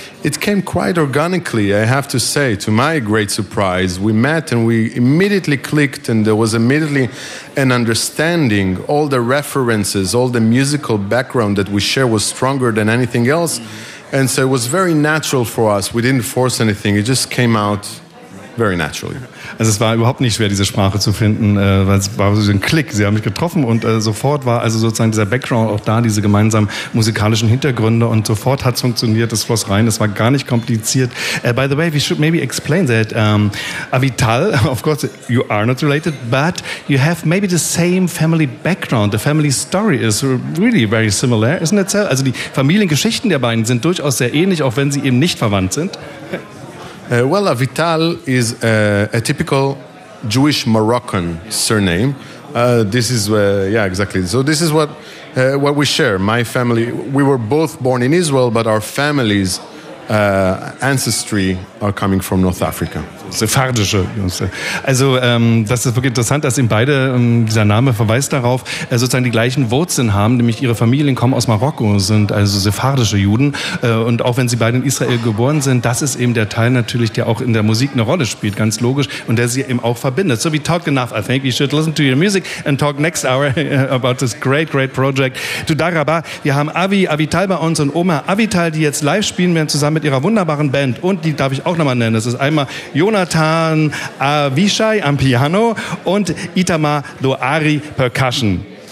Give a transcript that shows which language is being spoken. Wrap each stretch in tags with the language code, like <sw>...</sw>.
<en>It came quite organically, I have to say, to my great surprise. We met and we immediately clicked and there was immediately an understanding. All the references, all the musical background that we share was stronger than anything else. Mm-hmm. And so it was very natural for us. We didn't force anything. It just came out very naturally.</en> <de>Also es war überhaupt nicht schwer, diese Sprache zu finden, weil es war so ein Klick, sie haben mich getroffen und sofort war also sozusagen dieser Background auch da, diese gemeinsamen musikalischen Hintergründe und sofort hat es funktioniert, es floss rein, es war gar nicht kompliziert.</de> <en>By the way, we should maybe explain that Avital, of course, you are not related, but you have maybe the same family background, the family story is really very similar, isn't it so?</en> <de>Also die Familiengeschichten der beiden sind durchaus sehr ähnlich, auch wenn sie eben nicht verwandt sind.</de> <en>Well, Avital is a typical Jewish Moroccan surname. This is, yeah, exactly. So this is what we share. My family, we were both born in Israel, but our family's ancestry are coming from North Africa.</en> <de>Sephardische. Also das ist wirklich interessant, dass eben beide, dieser Name verweist darauf, sozusagen die gleichen Wurzeln haben, nämlich ihre Familien kommen aus Marokko, sind also sephardische Juden. Und auch wenn sie beide in Israel geboren sind, das ist eben der Teil natürlich, der auch in der Musik eine Rolle spielt, ganz logisch, und der sie eben auch verbindet.</de> <en>So wie Talk Enough, I think we should listen to your music and talk next hour about this great, great project.</en> <he>Tudar Rabah,</he> <de>wir haben Avi Avital bei uns und Omer Avital, die jetzt live spielen werden, zusammen mit ihrer wunderbaren Band. Und die darf ich auch nochmal nennen. Das ist einmal Jonathan Avishai am Piano und Itamar Doari Percussion.</de>